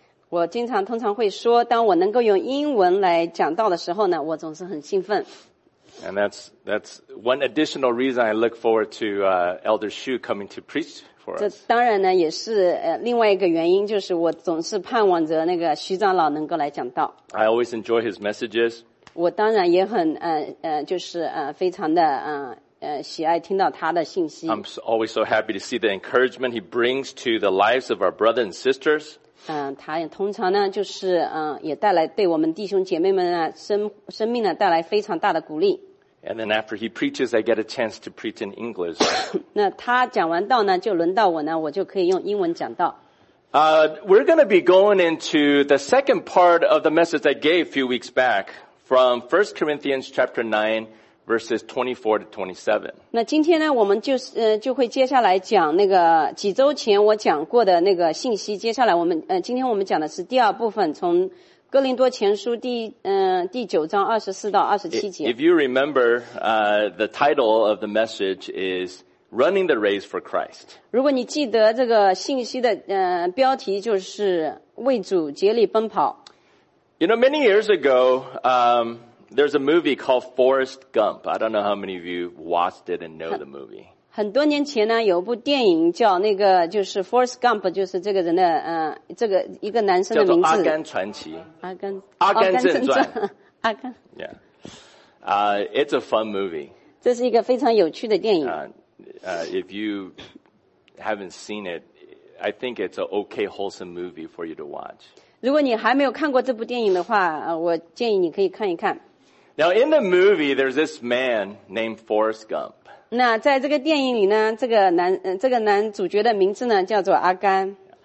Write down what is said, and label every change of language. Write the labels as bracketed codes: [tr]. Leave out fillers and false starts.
[zh] 我经常通常会说当我能够用英文来讲道的时候呢我总是很兴奋。 [en] And that's one additional reason I look forward to, Elder Hsu coming to preach. [zh] 这当然呢也是另外一个原因就是我总是盼望着那个徐长老能够来讲道。 [en] I always enjoy his messages. [zh] 我当然也很就是非常的喜爱听到他的信息。 [en] I'm always so happy to see the encouragement he brings to the lives of our brothers and sisters. [zh] 他也通常呢就是也带来对我们弟兄姐妹们啊生命呢带来非常大的鼓励。 [en] And then after he preaches, I get a chance to preach in English. [zh] 那他讲完道呢就轮到我呢我就可以用英文讲道。 [en] We're going to be going into the second part of the message I gave a few weeks back from 1 Corinthians chapter 9, verses 24 to 27. [zh] 那今天呢我们就会接下来讲那个几周前我讲过的那个信息接下来我们今天我们讲的是第二部分从哥林多前书第九章二十四到二十七节。 [en] If you remember, the title of the message is Running the Race for Christ. [zh] 如果你记得这个信息的标题就是为主竭力奔跑。 [en] You know, many years ago, there's a movie called Forrest Gump. I don't know how many of you watched it and know the movie. [zh] 很多年前呢有部电影叫那个就是 Forrest Gump, 就是这个人的这个一个男生的名字。叫做阿甘传奇。阿甘正传。阿甘。 [en] Yeah. It's a fun movie. [zh] 这是一个非常有趣的电影。 [en] If you haven't seen it, I think it's an okay wholesome movie for you to watch. [zh] 如果你还没有看过这部电影的话，我建议你可以看一看。 [en] Now in the movie, there's this man named Forrest Gump. [zh] 那在这个电影里呢，这个男主角的名字呢叫做阿甘。